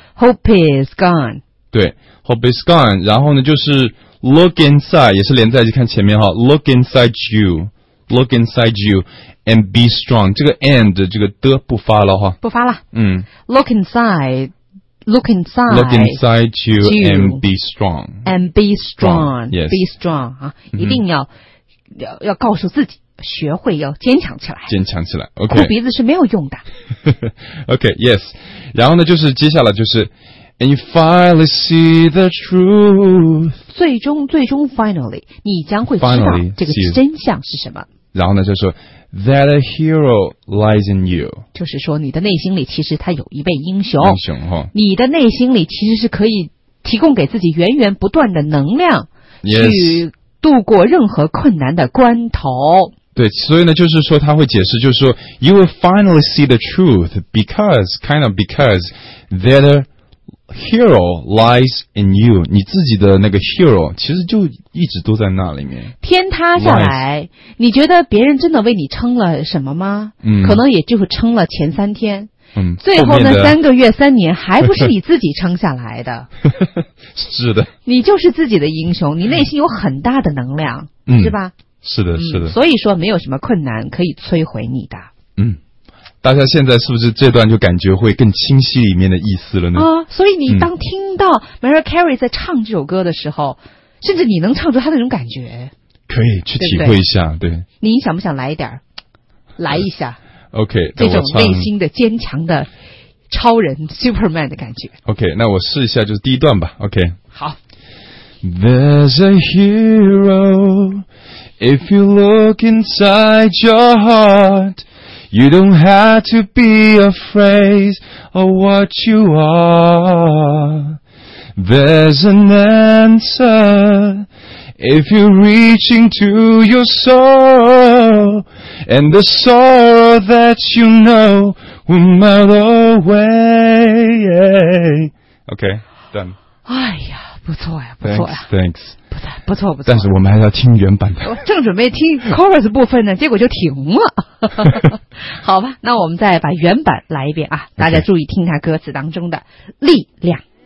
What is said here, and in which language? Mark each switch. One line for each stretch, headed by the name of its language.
English: Hope is gone.
Chinese: 对
English: ，hope is gone.
Chinese: 然后呢，就是
English: look inside，
Chinese: 也是连在一起看前面哈。
English: Look inside you, look inside you, and be strong.
Chinese: 这个 and 这个的不发了哈。不发了。
English: Look inside. Look inside you and be strong. And be strong. Yes. Be strong.
Chinese: 啊，一定要要告诉自己，学会要坚强起来。坚强起来。
English: Okay.
Chinese: 哭鼻子是没有用的。
English: Okay. Yes.
Chinese: 然后呢，就是接下来就是
English: and you finally see the truth.
Chinese: 最终 finally, 你将会知道这个真相是什么。然后呢，就说
English: that a hero lies in you.
Chinese: 就是说，你的内心里其实他有一位英雄。英雄哈。你的内心里其实是可以提供给自己源源不断的能量去、
English: yes.。
Chinese: 度过任何困难的关头。对，所以呢，就是说他会解释，就是说
English: ，you will finally see the truth because kind of because that a hero lies in you。
Chinese: 你自己的那个 hero 其实就一直都在那里面。天塌下来，
English: lies.
Chinese: 你觉得别人真的为你撑了什么吗？可能也就撑了前三天。最后那三个月三年还不是你自己撑下来的。是的。你就是自己的英雄，你内心有很大的能量，是吧？是的是的。所以说没有什么困难可以摧毁你的。大家现在是不是这段就感觉会更清晰里面的意思了呢？所以你当听到 Mariah Carey 在唱这首歌的时候，甚至你能唱出她那种感觉。可以去体会一下。对。你想不想来一点？来一下。
English: OK,
Chinese: 这种内心的坚强的超人 Superman 的感觉。 OK, 那我试一下就是第一段吧。
English: OK,
Chinese: 好。
English: There's a hero, if you look inside your heart, you don't have to be afraid of what you are. There's an answer. If you're reaching to your soul, and the sorrow that you know will melt away. Okay, done.
Chinese: 哎呀，不错呀，不错呀。
English: Thanks.
Chinese: 不错。但是我们还要听原版的。我正准备听 chorus 部分呢，结果就停了。好吧，那我们再把原版来一遍啊，大家注意听它歌词当中的力量。